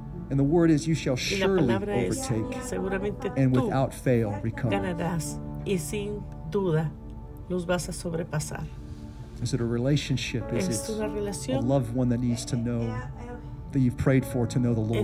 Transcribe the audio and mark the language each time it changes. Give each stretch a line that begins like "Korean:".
English: And the word is, you shall surely overtake
Spanish: es, seguramente
English: and without fail recover.
Spanish: Ganarás, y sin duda los vas a sobrepasar.
English: Is it a relationship? Is
Spanish: ¿es una relación?
English: It a loved one that needs to know that you've prayed for to know the Lord